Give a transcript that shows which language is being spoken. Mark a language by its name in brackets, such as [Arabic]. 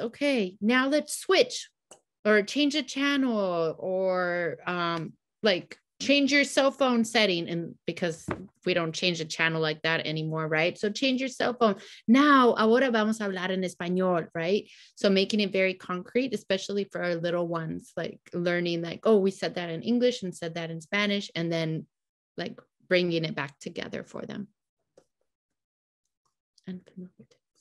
[English] Okay, now let's switch or change a channel or change your cell phone setting. And because we don't change a channel like that anymore, right? So change your cell phone. [Spanish] Now, ahora vamos a hablar en español, right? [English] So making it very concrete, especially for our little ones, like learning like, oh, we said that in English and said that in Spanish. And then like, bringing it back together for them. And familiar tips.